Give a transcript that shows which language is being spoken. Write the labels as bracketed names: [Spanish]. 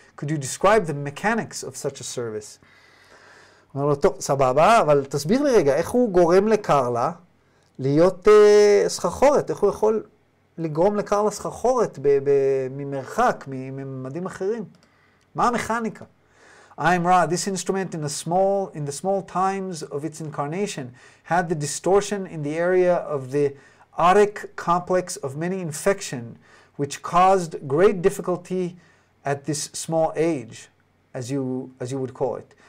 [English] Could you describe the mechanics of such a service? [Hebrew] אומר לו, טוב, סבבה, אבל תסביר לי רגע, איך הוא גורם לקרלה להיות סחחורת? איך הוא יכול לגרום לקרלה סחחורת ממרחק, מממדים אחרים? מה המכניקה? [English] I'm Ra, this instrument in the small times of its incarnation had the distortion in the area of the otic complex of many infection which caused great difficulty at this small age, as you would call it.